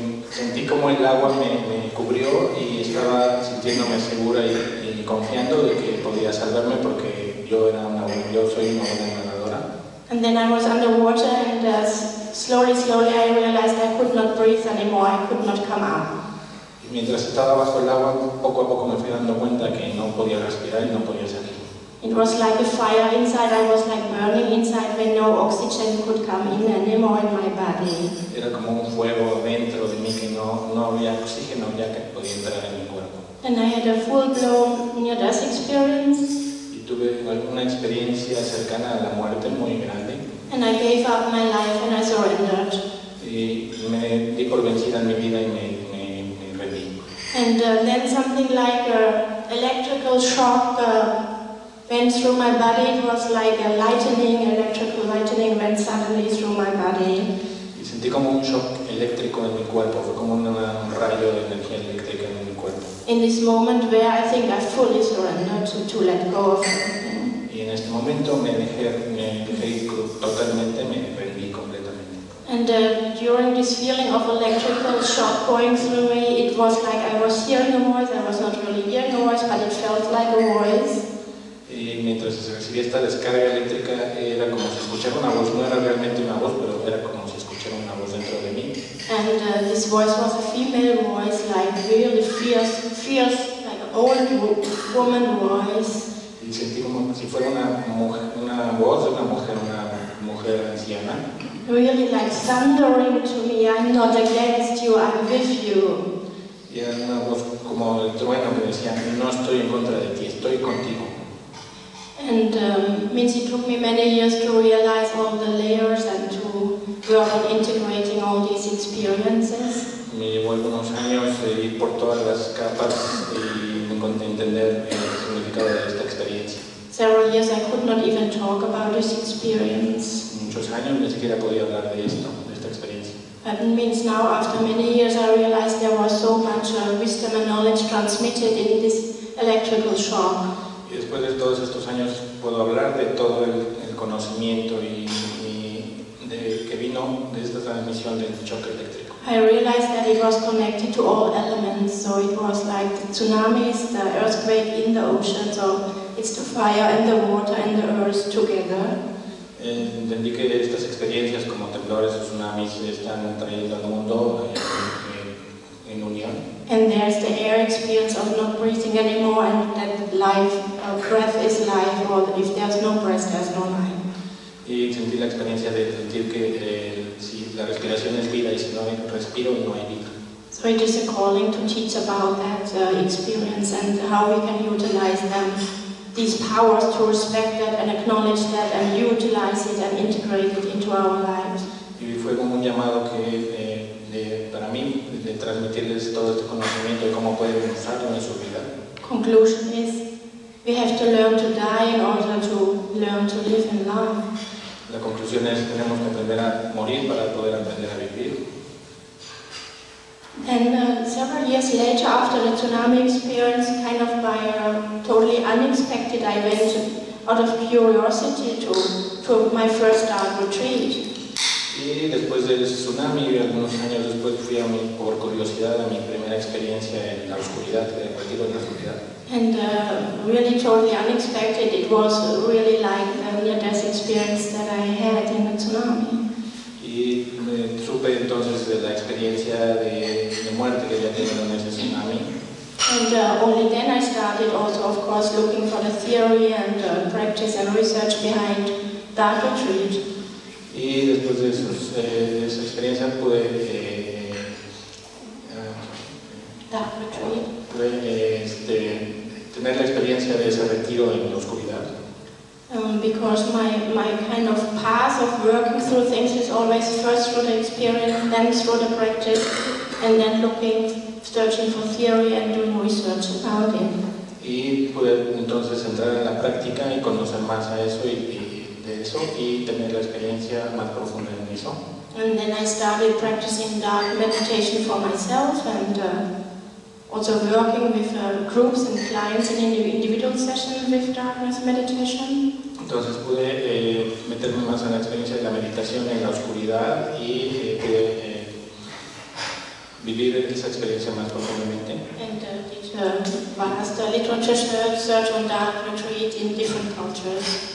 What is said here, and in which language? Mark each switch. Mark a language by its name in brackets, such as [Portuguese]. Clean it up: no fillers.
[Spanish] Sentí como el agua me cubrió y estaba sintiéndome segura y confiando de que podía salvarme porque yo soy una buena nadadora. [English] And then I was underwater and slowly I realized I could not breathe anymore, I could not come out. [Spanish] Y mientras estaba bajo el agua, poco a poco me fui dando cuenta que no podía respirar y no podía salir. [English] It was like a fire inside, I was like burning inside when no oxygen could come in anymore in my body. [Spanish] Era como un fuego dentro de mí que no había oxígeno ya que podía entrar en mi cuerpo. [English] And I had a full-blown near-death experience. [Spanish] Y tuve una experiencia cercana a la muerte muy grande. [English] And I gave up my life and I surrendered. [Spanish] Y me di por vencida en mi vida y me rendí. [English] And then something like an electrical shock went through my body. It was like a lightning, electrical lightning went suddenly through my body. [Spanish] Y sentí como un shock eléctrico en mi cuerpo. Fue como un rayo de energía eléctrica en mi cuerpo. [English] In this moment where I think I fully surrendered to let go of it. [Spanish] Y en este momento me dejé totalmente, me rendí completamente. [English] And during this feeling of electrical shock going through me, it was like I was hearing a voice. I was not really hearing a voice, but it felt like a voice. [Spanish] Y mientras se recibía esta descarga eléctrica, era como si escuchara una voz. No era realmente una voz, pero era como si escuchara una voz dentro de mí. [English] And this voice was a female voice, like really fierce, like old woman voice. [Spanish] Y sentí como si fuera una mujer anciana. [English] Really like thundering to me, I'm not against you, I'm with you. [Spanish] Y era una voz como el trueno que decía, no estoy en contra de ti, estoy contigo. [English] And it took me many years to realize all the layers and to work on integrating all these experiences. [Spanish] Me llevó algunos años ir por todas las capas y entender el significado de esta experiencia. [English] Several years I could not even talk about this experience. [Spanish] Muchos años ni siquiera podía hablar de esto, de esta experiencia. [English] But now, after many years, I realized there was so much wisdom and knowledge transmitted in this electrical shock. [Spanish] Y después de todos estos años puedo hablar de todo el conocimiento y de que vino de esta transmisión del choque eléctrico. [English] I realized that it was connected to all elements, so it was like the tsunamis, the earthquake in the ocean, so it's the fire and the water and the earth together. [Spanish] Entendí que estas experiencias como temblores o tsunamis están trayendo al mundo en comunión. [English] And there's the air experience of not breathing anymore, and that life, breath is life, or if there's no breath, there's no life. [Spanish] Y sentí la experiencia de sentir que si la respiración es vida y si no respiro, no hay vida. [English] So it is a calling to teach about that experience and how we can utilize them, these powers, to respect that and acknowledge that and utilize it and integrate it into our lives. [Spanish] Y fue como un llamado que para mí, de transmitirles todo este conocimiento de cómo pueden usarlo en su vida. [English] Conclusion is, we have to learn to die in order to learn to live and love. [Spanish] La conclusión es, tenemos que aprender a morir para poder aprender a vivir. [English] And several years later, after the tsunami experience, kind of by a totally unexpected, I went out of curiosity to my first dark retreat. [Spanish] Y después del tsunami, algunos años después, fui a mi, por curiosidad, a mi primera experiencia en la oscuridad, en el retiro de la oscuridad. [English] And really totally unexpected, it was really like the near-death experience that I had in the tsunami. [Spanish] Y supe entonces de la experiencia de muerte que había tenido en ese tsunami. [English] And only then I started also, of course, looking for the theory and practice and research behind that retreat. [Spanish] Y después de esos, de esa experiencia pude tener la experiencia de ese retiro en la oscuridad. [English] Because my kind of path of working through things is always first through the experience, then through the practice, and then looking, searching for theory and doing research about it. [Spanish] Y pude entonces entrar en la práctica y conocer más a eso y tener la experiencia más profunda en eso. [English] And then I started practicing dark meditation for myself and also working with groups and clients in individual sessions with darkness meditation. [Spanish] Entonces pude meterme más en la experiencia de la meditación en la oscuridad y pude vivir esa experiencia más profundamente. [English] And vast literature search on dark retreat in different cultures.